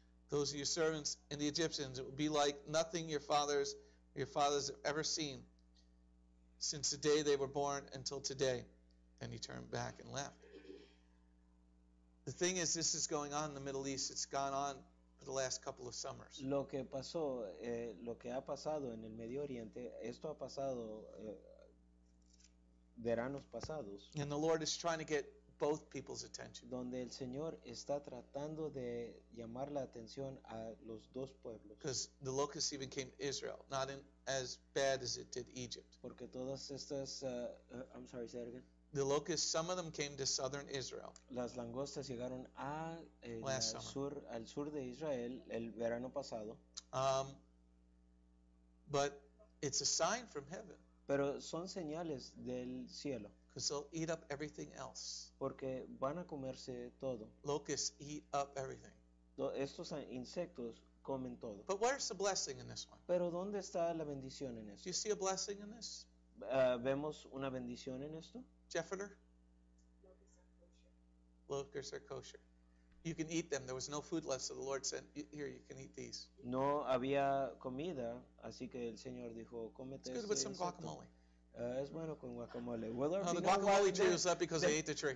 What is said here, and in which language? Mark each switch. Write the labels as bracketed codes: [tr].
[en] Those are your servants and the Egyptians. It will be like nothing your fathers have ever seen since the day they were born until today. Then he turned back and left. The thing is, this is going on in the Middle East. It's gone on for the last couple of summers. [es] Lo que pasó, lo que ha pasado en el Medio Oriente, esto ha pasado veranos pasados. [en] And the Lord is trying to get both people's attention. [es] Donde el Señor está tratando de llamar la atención a los dos pueblos. [en] Because the locust even came to Israel, not in as bad as it did Egypt. [es] Porque todas estas, [en] I'm sorry, say it again. The locusts, some of them came to southern Israel. [es] Las langostas llegaron a al sur de Israel el verano pasado. [en] But it's a sign from heaven. [es] Pero son señales del cielo. [en] Because they'll eat up everything else. [es] Porque van a comerse todo. [en] Locusts eat up everything. [es] Estos insectos comen todo. [en] But where's the blessing in this one? [es] Pero ¿dónde está la bendición en esto? [en] Do you see a blessing in this? [es] ¿Vemos una bendición en esto? [en] Jeffeter? Locusts are kosher. Locusts are kosher. You can eat them. There was no food left, so the Lord said, here, you can eat these. [es] No había comida, así que el Señor dijo, cómete este insecto. [en] It's good with some guacamole. [es] Es bueno con guacamole. Will [en] there the guacamole tree is up because they ate the tree.